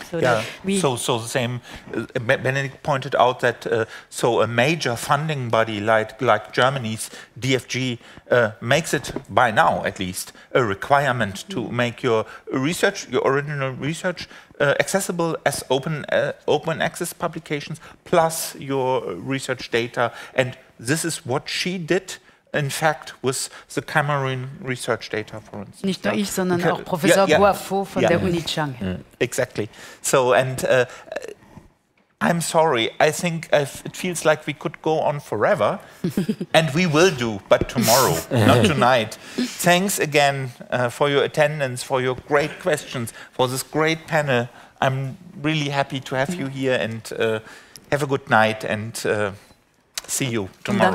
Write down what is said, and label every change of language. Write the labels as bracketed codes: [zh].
[en] Benedict pointed out that a major funding body like Germany's DFG makes it, by now at least, a requirement to make your original research accessible as open access publications plus your research data. And this is what she did, in fact, with the Cameroon research data, for instance. [de] Nicht nur ich, sondern auch Professor Guafo von der Uni Chang. Mm. [en] Exactly. So, and I'm sorry. I think it feels like we could go on forever, and we will do, but tomorrow, not tonight. Thanks again for your attendance, for your great questions, for this great panel. I'm really happy to have you here, and have a good night, and see you tomorrow.